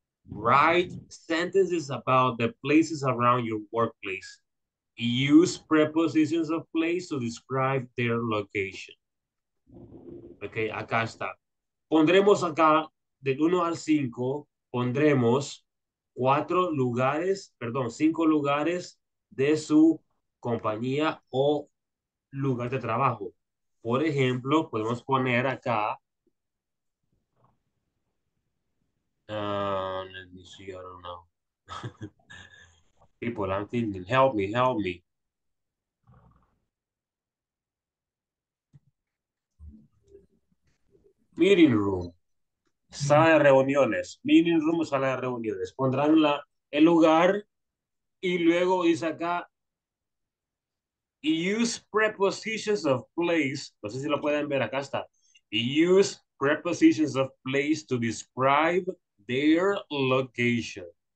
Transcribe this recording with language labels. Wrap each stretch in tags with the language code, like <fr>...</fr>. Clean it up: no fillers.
<en>Write sentences about the places around your workplace. Use prepositions of place to describe their location.</en> <es>Ok, acá está. Pondremos acá, del 1 al 5, pondremos cuatro lugares, perdón, cinco lugares de su compañía o lugar de trabajo. Por ejemplo, podemos poner acá,</es> <en>let me see, I don't know. People, I'm thinking, help me, help me. Meeting room,</en> <es>sala de reuniones. Meeting room, sala de reuniones. Pondrán la, el lugar y luego dice acá,</es> <en>use prepositions of place.</en> <es>No sé si lo pueden ver, acá está.</es> <en>Use prepositions of place to describe their location.</en>